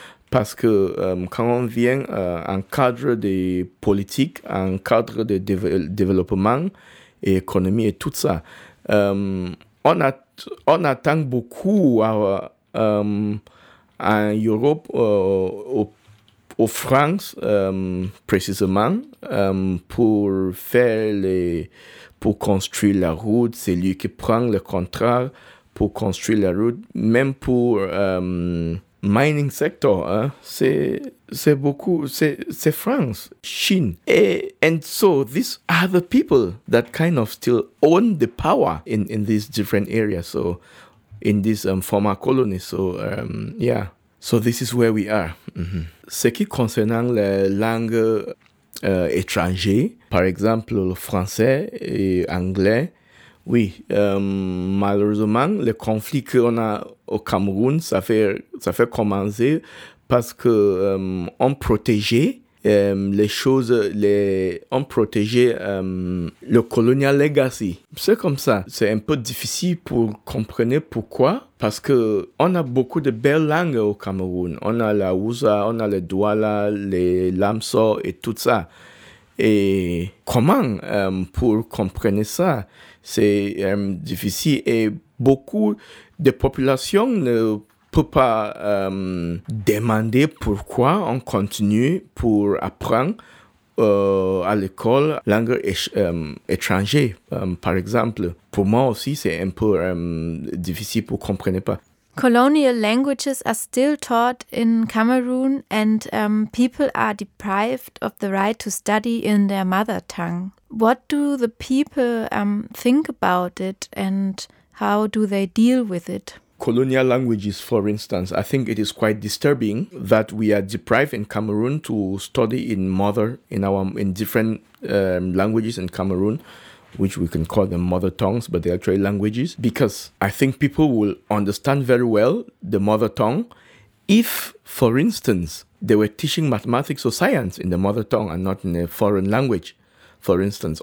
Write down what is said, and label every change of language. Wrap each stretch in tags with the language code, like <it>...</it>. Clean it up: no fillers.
<fr>Parce que quand on vient en cadre de politique, en cadre de développement et économie et tout ça, on attend beaucoup en Europe, au France précisément, pour faire pour construire la route. C'est lui qui prend le contrat pour construire la route, même pour mining sector, hein? C'est beaucoup, c'est France, Chine.</fr> <en>And so these are the people that kind of still own the power in these different areas, so in this former colonies. So yeah, so this is where we are. Mm-hmm.</en> <fr>Ce qui concerne la langue étrangère, par exemple le français et anglais, oui, malheureusement, le conflit qu'on a au Cameroun, ça fait commencer parce que on protégeait les choses, on protégeait le</fr> <en>colonial legacy.</en> <fr>C'est comme ça. C'est un peu difficile pour comprendre pourquoi, parce que on a beaucoup de belles langues au Cameroun. On a la Hausa, on a le Douala, les Lamso et tout ça. Et comment pour comprendre ça? C'est difficile et beaucoup de populations ne peuvent pas demander pourquoi on continue pour apprendre à l'école langue étrangère, par exemple. Pour moi aussi, c'est un peu difficile pour comprendre pas.</fr> <en>Colonial languages are still taught in Cameroon and people are deprived of the right to study in their mother tongue. What do the people think about it and how do they deal with it? Colonial languages, for instance, I think it is quite disturbing that we are deprived in Cameroon to study in different languages in Cameroon, which we can call them mother tongues, but they're actually languages, because I think people will understand very well the mother tongue if, for instance, they were teaching mathematics or science in the mother tongue and not in a foreign language, for instance.</en>